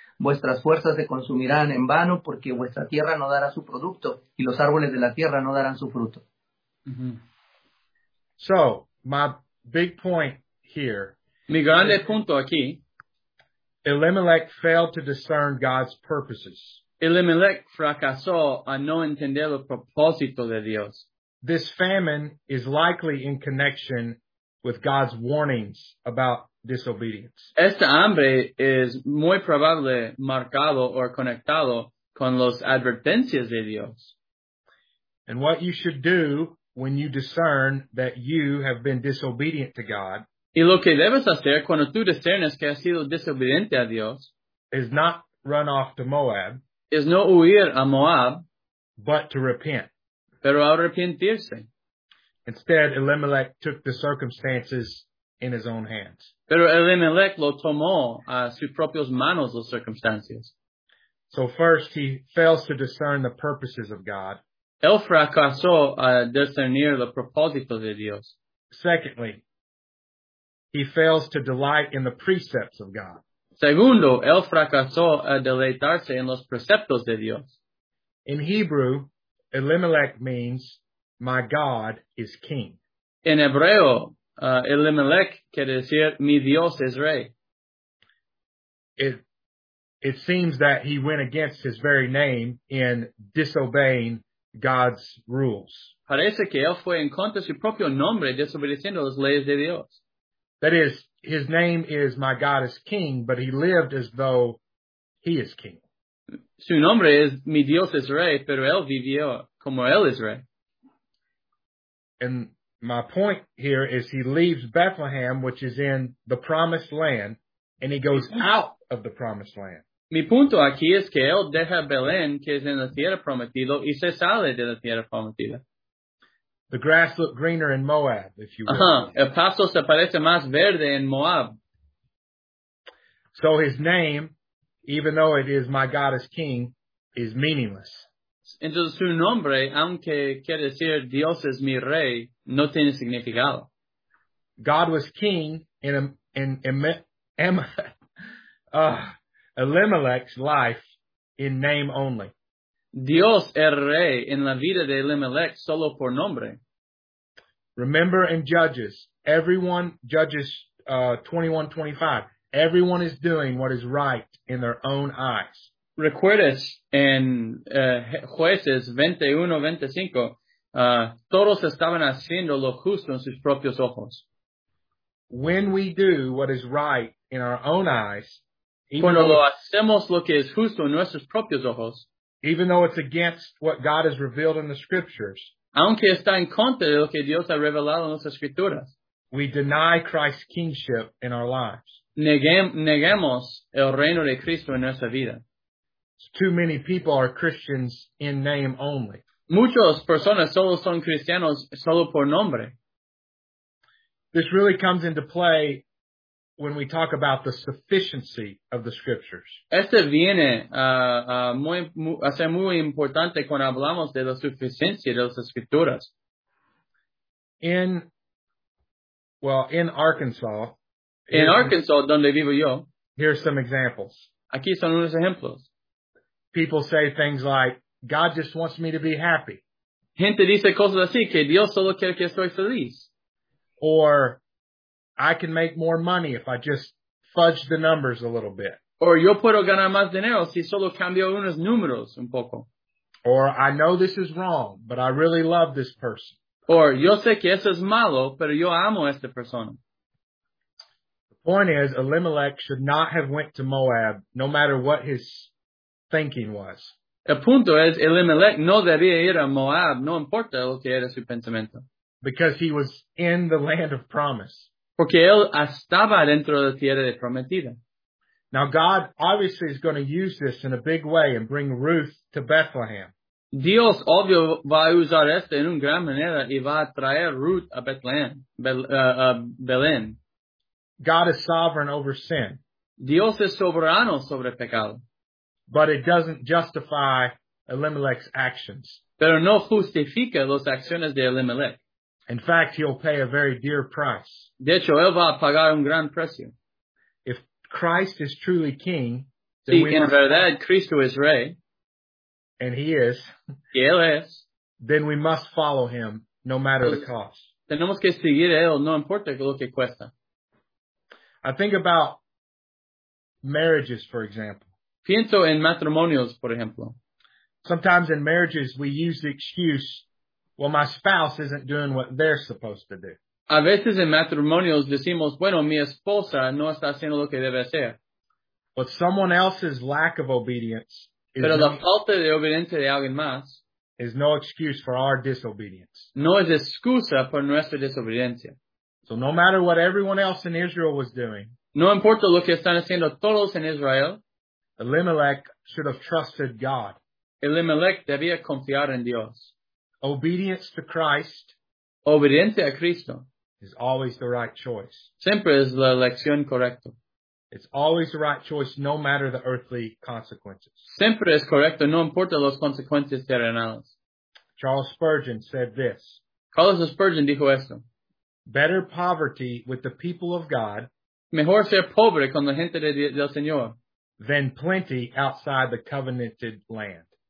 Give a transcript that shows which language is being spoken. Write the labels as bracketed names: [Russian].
[Spanish] Vuestras fuerzas se consumirán en vano, porque vuestra tierra no dará su producto, y los árboles de la tierra no darán su fruto. [English] Mm-hmm. So, my big point here. [Spanish] Mi grande punto aquí. [English] Elimelech failed to discern God's purposes. [Spanish] Elimelech fracasó a no entender el propósito de Dios. [English] This famine is likely in connection with God's warnings about disobedience. [Spanish] Esta hambre es muy probable marcado o conectado con los advertencias de Dios. [English] And what you should do when you discern that you have been disobedient to God, [Spanish] y lo que debes hacer cuando tú discernes que has sido desobediente a Dios, [English] is not run off to Moab, [Spanish] es no huir a Moab, [English] but to repent. [Spanish] Pero arrepentirse. [English] Instead, Elimelech took the circumstances in his own hands. [Spanish] Pero Elimelech lo tomó a sus propias manos las circunstancias. [English] So first, he fails to discern the purposes of God. [Spanish] Él fracasó a discernir los propósitos de Dios. [English] Secondly, he fails to delight in the precepts of God. [Spanish] Segundo, él fracasó a deleitarse en los preceptos de Dios. [English] In Hebrew, Elimelech means, my God is king. [Spanish] En hebreo, Elimelech quiere decir, mi Dios es rey. [English] It seems that he went against his very name in disobeying God's rules. [Spanish] Parece que él fue en contra de su propio nombre desobedeciendo las leyes de Dios. [English] That is, his name is my God is king, but he lived as though he is king. [Spanish] Su nombre es mi Dios es rey, pero él vivió como él es rey. [English] And my point here is he leaves Bethlehem, which is in the promised land, and he goes out of the promised land. [Spanish] Mi punto aquí es que él deja Belén, que es en la tierra prometida, y se sale de la tierra prometida. [English] The grass looked greener in Moab, if you will. Uh-huh. [Spanish] El pasto se parece más verde en Moab. [English] So his name, even though it is my God is king, is meaningless. [Spanish] Entonces su nombre, aunque quiere decir Dios es mi rey, no tiene significado. [English] God was king Elimelech's life in name only. [Spanish] Dios era rey en la vida de Elimelech solo por nombre. [English] Remember in Judges, Judges 21:25, everyone is doing what is right in their own eyes. [Spanish] Recuerdes en Jueces 21:25, todos estaban haciendo lo justo en sus propios ojos. [English] When we do what is right in our own eyes, [Spanish] cuando lo hacemos lo que es justo en nuestros propios ojos, [English] even though it's against what God has revealed in the scriptures, [Spanish] aunque está en contra de lo que Dios ha revelado en las escrituras, [English] we deny Christ's kingship in our lives. [Spanish] Negamos el reino de Cristo en nuestra vida. [English] Too many people are Christians in name only. [Spanish] Muchas personas solo son cristianos solo por nombre. [English] This really comes into play when we talk about the sufficiency of the scriptures. [Spanish] Este viene a ser muy importante cuando hablamos de la suficiencia de las escrituras. [English] In Arkansas, [Spanish] donde vivo yo, [English] here are some examples. [Spanish] Aquí son unos ejemplos. [English] People say things like, God just wants me to be happy. [Spanish] Gente dice cosas así, que Dios solo quiere que estoy feliz. [English] Or, I can make more money if I just fudge the numbers a little bit. Or [Spanish] yo puedo ganar más dinero si solo cambio unos números un poco. [English] Or I know this is wrong, but I really love this person. Or, [Spanish] yo sé que eso es malo, pero yo amo a esta persona. [English] The point is, Elimelech should not have went to Moab, no matter what his thinking was. [Spanish] El punto es, Elimelech no debía ir a Moab, no importa lo que era su pensamiento. [English] Because he was in the land of promise. [Spanish] Porque él estaba dentro de la tierra de prometida. [English] Now God obviously is going to use this in a big way and bring Ruth to Bethlehem. [Spanish] Dios obvio va a usar esto en una gran manera y va a traer Ruth a Bethlehem, Belén. [English] God is sovereign over sin. [Spanish] Dios es soberano sobre el pecado. [English] But it doesn't justify Elimelech's actions. [Spanish] Pero no justifica las acciones de Elimelech. [English] In fact, he'll pay a very dear price. [Spanish] De hecho, él va a pagar un gran precio. [English] If Christ is truly king, then [Spanish] sí, en verdad, Cristo es rey. [English] And he is. [Spanish] Y él es. [English] Then we must follow him, no matter the cost. [Spanish] Tenemos que seguir a él, no importa lo que cuesta. [English] I think about marriages, for example. [Spanish] Pienso en matrimonios, por ejemplo. [English] Sometimes in marriages, we use the excuse, well, my spouse isn't doing what they're supposed to do. [Spanish] A veces en matrimonios decimos, bueno, mi esposa no está haciendo lo que debe hacer. [English] But someone else's lack of obedience is, [Spanish] pero la falta de obediencia de alguien más [English] is no excuse for our disobedience. [Spanish] No es excusa por nuestra desobediencia. [English] So no matter what everyone else in Israel was doing, [Spanish] no importa lo que están haciendo todos en Israel, [English] Elimelech should have trusted God. [Spanish] Elimelech debía confiar en Dios. [English] Obedience to Christ, [Spanish] obediencia a Cristo, [English] is always the right choice. [Spanish] Siempre es la elección correcta. [English] It's always the right choice, no matter the earthly consequences. [Spanish] Siempre es correcto, no importa las consecuencias terrenales. [English] Charles Spurgeon said this. [Spanish] Carlos Spurgeon dijo esto. [English] Better poverty with the people of God. [Spanish] Mejor ser pobre con la gente del Señor. [English] Than plenty outside the covenanted land.